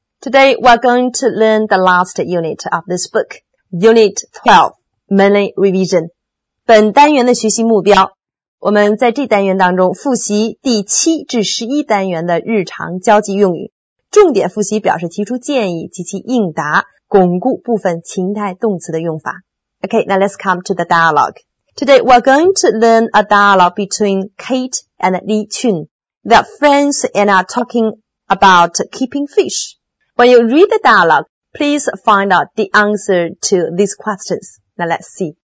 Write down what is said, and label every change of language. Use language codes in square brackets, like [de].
[en] Today we're going to learn the last unit of this book. Unit 12, Mainly Revision. [zh] 本单元的学习目标，我们在这单元当中复习第七至十一单元的日常交际用语，重点复习表示提出建议及其应答，巩固部分情态动词的用法。 [en] Okay, now let's come to the dialogue. Today we're going to learn a dialogue between Kate and Li Chun. They are friends and are talking about keeping fish. When you read the dialogue, please find out the answer to these questions. Now let's see.